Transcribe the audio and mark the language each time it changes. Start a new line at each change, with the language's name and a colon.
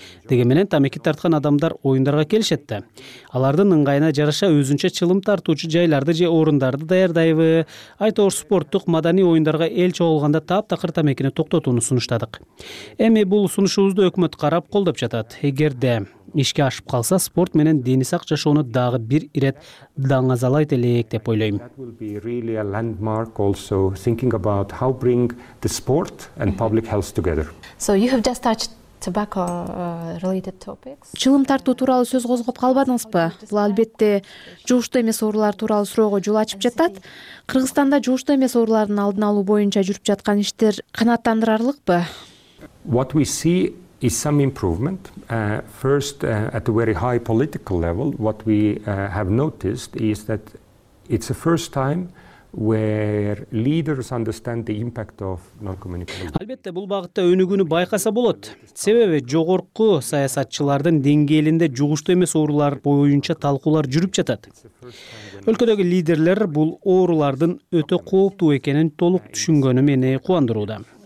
Kyrgyz: Деген менен тамеки тарткан адамдар оюндарга келишет да. Алардын ыңгайына жараша өзүнчө чылым тартуучу жайларды же орундарды даярдайбы? Айтор спорттук маданий оюндарга эл чогулганда таптакыр тамекини токтотууну сунуштадык. Эми бул сунушубузду өкмөт карап колдоп жатат. Эгерде ишке ашып калса, спорт менен дени сак жашоону дагы бир ирет даңазалайт элек деп ойлойм.
English: That will be really a landmark also thinking about how bring the sport and public health together. So you have just touched tobacco related topics.
Kyrgyz: Чылым тартуу тууралуу сөз козгоп калбадыңызбы? Бул албетте жугуштуу эмес оорулар тууралуу суроого жол ачып жатат. Кыргызстанда жугуштуу эмес оорулардын алдын алуу боюнча жүрүп жаткан иштер канааттандырарлыкпы?
English: What we see is some improvement. First at a very high political level, what we have noticed is that it's the first time where leaders understand the impact of non-communicable.
Kyrgyz: Албетте бул багытта өнүгүүнү байкаса болот. Себеби жогорку саясатчылардын деңгээлинде жугуштуу эмес оорулар боюнча талкуулар жүрүп жатат. Өлкөдөгү лидерлер бул оорулардын өтө кооптуу экенин толук түшүнгөнү мени кубандырууда.